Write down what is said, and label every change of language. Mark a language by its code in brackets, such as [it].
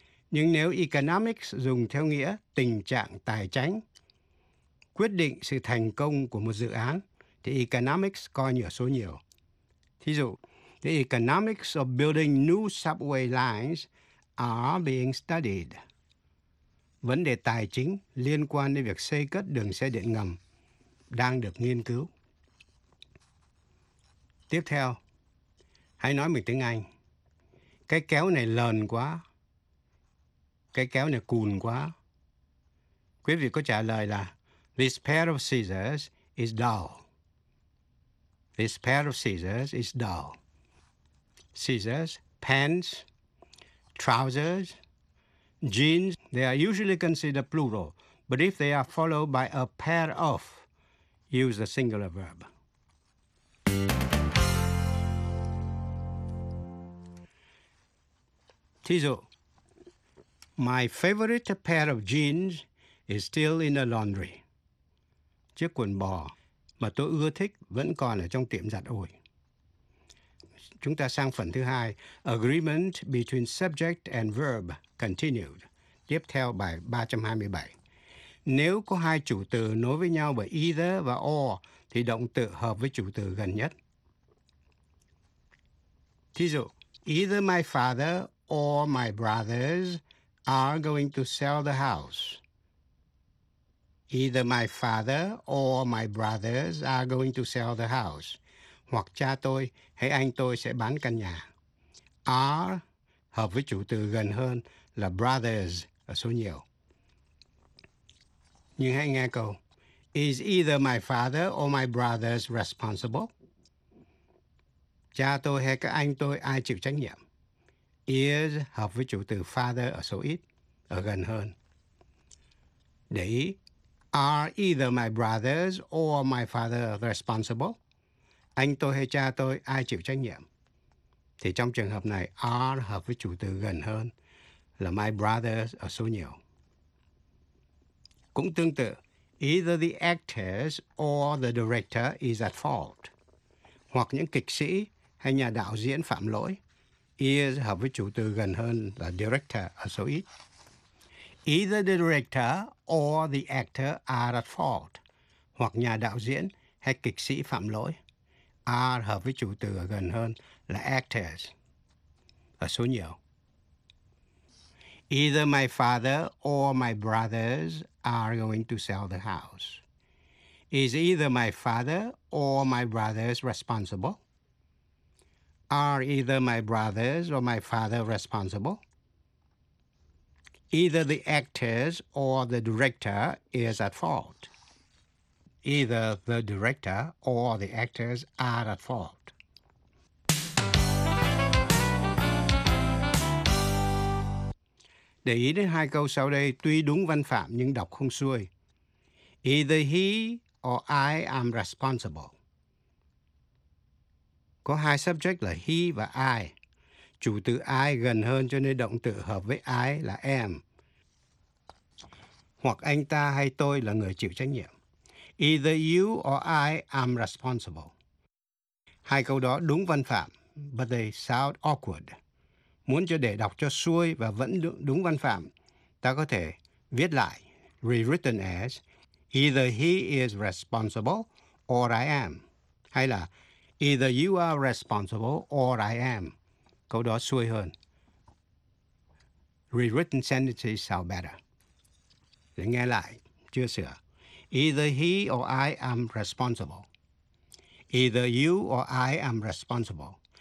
[vi] Nhưng nếu economics dùng theo nghĩa tình trạng tài chính, quyết định sự thành công của một dự án, thì economics coi như ở số nhiều. Thí dụ, [en] the economics of building new subway lines are being studied. [vi] Vấn đề tài chính liên quan đến việc xây cất đường xe điện ngầm đang được nghiên cứu. Tiếp theo, hãy nói mình tiếng Anh. Cái kéo này lờn quá. Cái kéo này cùn quá. Quý vị có trả lời là [en] this pair of scissors is dull. This pair of scissors is dull. Scissors, pants, trousers, jeans, they are usually considered plural, but if they are followed by a pair of, use the singular verb. [vi] Thí dụ, [en] my favorite pair of jeans is still in the laundry. [vi] Chiếc quần bò mà tôi ưa thích vẫn còn ở trong tiệm giặt ủi. Chúng ta sang phần thứ hai. [en] Agreement between subject and verb continued. [vi] Tiếp theo bài 327. Nếu có hai chủ từ nối với nhau bởi either và or, thì động từ hợp với chủ từ gần nhất. Thí dụ, [en] either my father or my brothers are going to sell the house. Either my father or my brothers are going to sell the house. [vi] Hoặc cha tôi hay anh tôi sẽ bán căn nhà. Are hợp với chủ từ gần hơn là brothers ở số nhiều. Nhưng hãy nghe câu. [en] Is either my father or my brothers responsible? [vi] Cha tôi hay các anh tôi ai chịu trách nhiệm? Is hợp với chủ từ father ở số ít, ở gần hơn. Để ý, [en] are either my brothers or my father responsible? [vi] Anh tôi hay cha tôi ai chịu trách nhiệm? Thì trong trường hợp này, are hợp với chủ từ gần hơn là my brothers ở số nhiều. Cũng tương tự, [en] either the actors or the director is at fault. [vi] Hoặc những kịch sĩ hay nhà đạo diễn phạm lỗi. Is hợp với chủ từ gần hơn là director ở số ít. [en] Either the director or the actor are at fault. [vi] Hoặc nhà đạo diễn hay kịch sĩ phạm lỗi. Are hợp với chủ từ ở gần hơn là actors ở số nhiều. [en] Either my father or my brothers are going to sell the house. Is either my father or my brothers responsible? Are either my brothers or my father responsible? Either the actors or the director is at fault. Either the director or the actors are at fault. [vi] Để ý đến hai câu sau đây, tuy đúng văn phạm nhưng đọc không xuôi. [en] Either he or I am responsible. [vi] Có hai subject là he và I. Chủ từ I gần hơn cho nên động từ hợp với I là am. Hoặc anh ta hay tôi là người chịu trách nhiệm. [en] Either you or I am responsible. [vi] Hai câu đó đúng văn phạm, [en] but they sound awkward. [vi] Muốn cho để đọc cho xuôi và vẫn đúng văn phạm, ta có thể viết lại, [en] rewritten as, either he is responsible or I am. [vi] Hay là, [en] either you are responsible or I am. [vi] Câu đó xuôi hơn. [en] Rewritten sentences sound better. [vi] Để nghe lại, chưa sửa. [en] Either he or I am responsible. Either you or I am responsible.